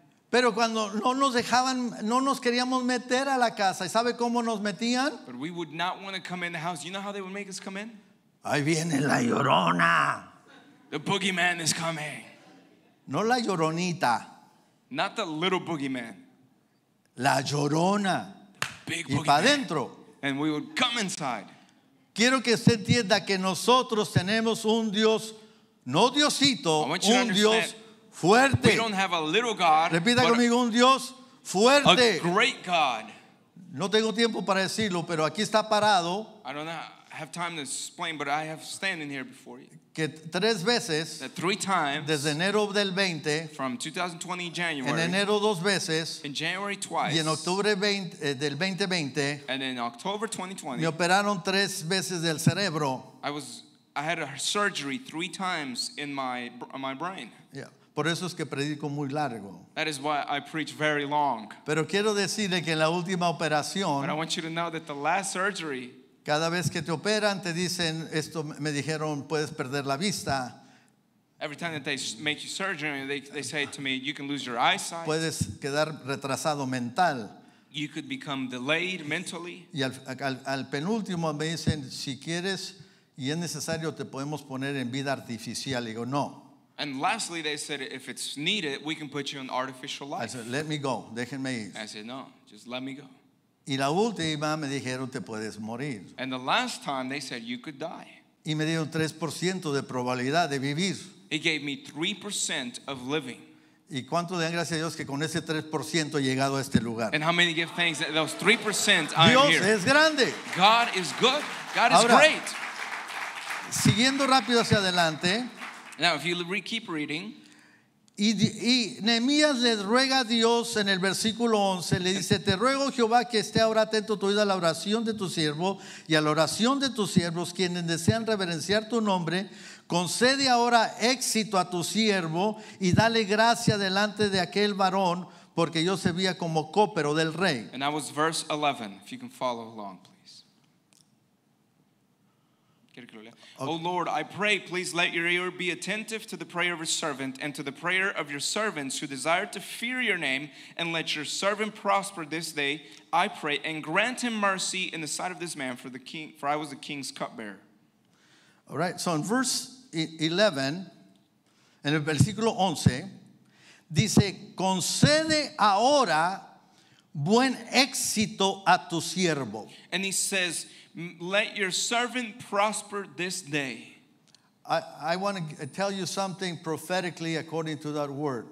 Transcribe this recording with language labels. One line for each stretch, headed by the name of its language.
Spanish: Pero cuando no nos dejaban, no nos queríamos meter a la casa. ¿Y sabe cómo nos metían?
English: But we would not want to come in the house. You know how they would make us come in?
Spanish: Ahí viene la llorona.
English: The boogeyman is coming.
Spanish: No la lloronita.
English: Not the little boogeyman.
Spanish: La llorona.
English: The big boogeyman.
Spanish: Y para adentro.
English: And we would come inside.
Spanish: Quiero que usted entienda que nosotros tenemos un Dios. No Diosito, un Dios fuerte.
English: We don't have a little God.
Spanish: Repita conmigo, un Dios fuerte.
English: A great God.
Spanish: No tengo tiempo para decirlo, pero aquí está parado.
English: I don't have time to explain, but I have standing here before you.
Spanish: Que tres veces,
English: that three times,
Spanish: desde enero del 20,
English: from 2020 January,
Spanish: en enero dos veces,
English: in January twice,
Spanish: y en octubre 20, del 2020,
English: and in October 2020,
Spanish: me operaron tres veces del cerebro.
English: I had a surgery three times in my brain. Yeah.
Spanish: Por eso es que predico muy largo.
English: That is why I preach very long.
Spanish: Pero quiero decirle que en la última operación,
English: but I want you to know that the last surgery,
Spanish: cada vez que te operan te dicen esto, me dijeron puedes perder la vista.
English: Every time that they make you surgery, they say to me, you can lose your eyesight.
Spanish: Puedes quedar retrasado mental.
English: You could become delayed mentally.
Spanish: Y al penúltimo me dicen, si quieres y es necesario, te podemos poner en vida artificial. Y digo, no.
English: And lastly, they said, if it's needed, we can put you in artificial life. I said, let me go.
Spanish: Déjenme ir.
English: I said, no, just let me go.
Spanish: Y la última me dijeron, te puedes morir.
English: And the last time, they said, you could die.
Spanish: Y me dieron 3% de probabilidad de vivir.
English: He gave me 3% of living.
Spanish: Y cuánto dan gracias a Dios que con ese 3% he llegado a este lugar.
English: And how many give thanks that those 3% I'm here.
Spanish: Dios es grande.
English: God is good. God is
Spanish: ahora,
English: great.
Spanish: Siguiendo rápido hacia adelante.
English: Now, if you keep reading,
Spanish: y Nehemías le ruega a Dios en el versículo 11, le dice, te ruego Jehová que esté ahora atento tu oído a la oración de tu siervo y a la oración de tus siervos quienes desean reverenciar tu nombre, concede ahora éxito a tu siervo y dale gracia delante de aquel varón porque yo servía como copero del rey.
English: And that was verse 11, if you can follow along, please. Okay. O Lord, I pray, please let your ear be attentive to the prayer of your servant and to the prayer of your servants who desire to fear your name, and let your servant prosper this day, I pray, and grant him mercy in the sight of this man, for the king, for I was the king's cupbearer. All right, so in verse 11,
Spanish: en el versículo 11, dice, concede ahora buen éxito a tu siervo.
English: And he says, let your servant prosper this day. I want to tell you something prophetically according to that word.